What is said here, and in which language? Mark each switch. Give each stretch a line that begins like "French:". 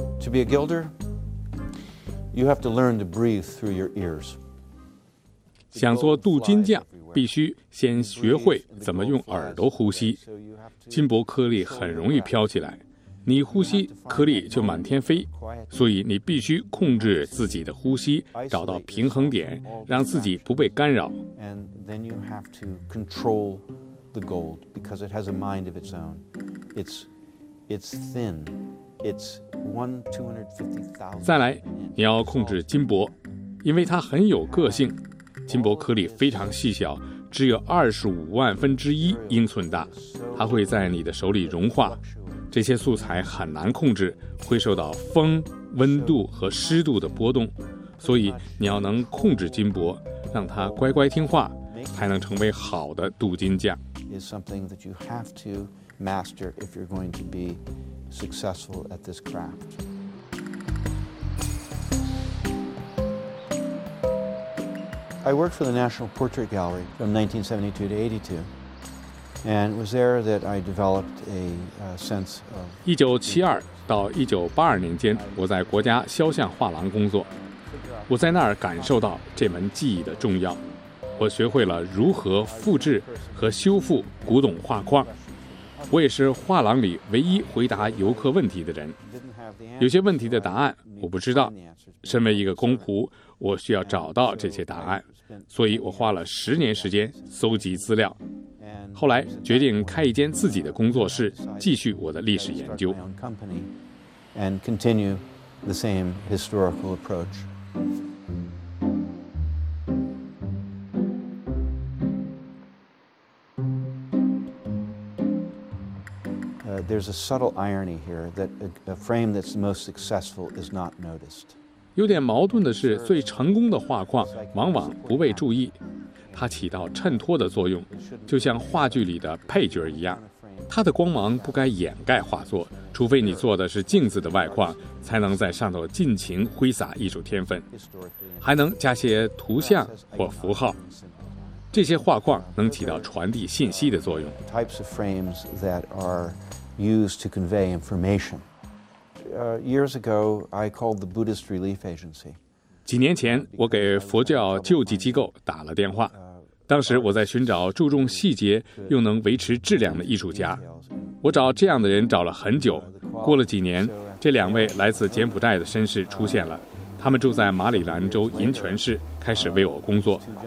English: be a gilder, you have to learn to breathe through your ears.
Chinese: 想做镀金匠，必须先学会怎么用耳朵呼吸。金箔颗粒很容易飘起来，你呼吸颗粒就满天飞，所以你必须控制自己的呼吸，找到平衡点，让自己不被干扰。
English: And then you have to control the gold because it has a mind of its own. It's thin. It's 1/250,000.
Chinese: 再来，你要控制金箔，因为它很有个性。金箔颗粒非常细小，只有25万分之1英寸大，它会在你的手里融化。这些素材很难控制，会受到风、温度和湿度的波动，所以你要能控制金箔，让它乖乖听话，才能成为好的镀金匠。
English: Is something that you have to master if you're going to be successful at this craft. I worked for the National Portrait Gallery from 1972 to 82, and it was there that I developed a sense of.
Chinese: 1972到1982年间，我在国家肖像画廊工作。我在那儿感受到这门技艺的重要。我学会了如何复制和修复古董画框。我也是画廊里唯一回答游客问题的人。有些问题的答案我不知道。身为一个工仆，我需要找到这些答案，所以我花了10年时间搜集资料，后来决定开一间自己的工作室，继续我的历史研究。
English: There's a subtle irony here that a frame that's most successful is not noticed.
Chinese: 有点矛盾的是，最成功的画框往往不被注意，它起到衬托的作用，就像话剧里的配角一样。它的光芒不该掩盖画作，除非你做的是镜子的外框，才能在上头尽情挥洒艺术天分，还能加些图像或符号。这些画框能起到传递信息的作用。
English: Types of frames that are used to convey information. Years ago, I called the Buddhist Relief Agency.
Chinese: 几年前，我给佛教救济机构打了电话。当时我在寻找注重细节又能维持质量的艺术家。我找这样的人找了很久。过了几年，这两位来自柬埔寨的绅士出现了。他们住在马里兰州银泉市，开始为我工作。